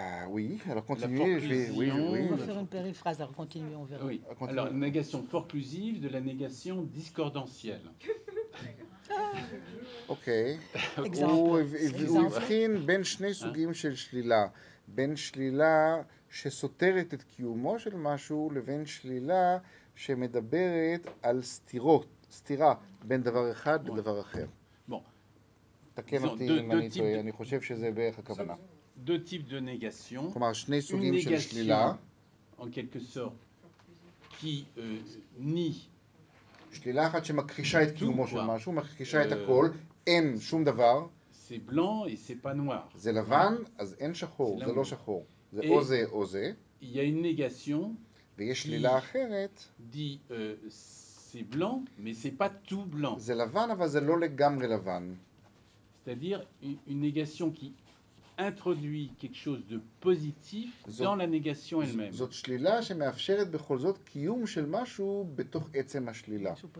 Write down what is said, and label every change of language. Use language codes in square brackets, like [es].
[fr] oui, alors continuez, je vais on va faire une périphrase, alors continuez, on verra. Oui. Alors négation forclusive de la négation discordantielle. OK. [he] Exemple, בין שני סוגים של שלילה, בין שלילה שסותרת את קיומו של משהו לבין שלילה שמדברת על סתירות, סתירה בין דבר אחד לדבר אחר. תקן אותי אם אני טועה, אני חושב שזה בערך הכוונה. [fr] Deux types de négation. [he] כלומר, שני סוגים של שלילה. [fr] En quelque sorte, qui nie. [he] שלילה אחת שמכחישה את קיומו של משהו, מכחישה את הכל, אין שום דבר. [fr] C'est blanc et c'est pas noir. [he] זה לבן, אז אין שחור, זה לא שחור. זה או זה או זה. [fr] Il y a une négation. [he] ויש שלילה אחרת. [fr] Dit c'est blanc, mais c'est pas tout blanc. [he] זה לבן, אבל זה לא לגמרי לבן. [fr] C'est-à-dire une négation qui introduit quelque chose de positif dans la négation elle-même. [he] זאת שלילה שמאפשרת בכל זאת קיום של משהו בתוך עצם השלילה.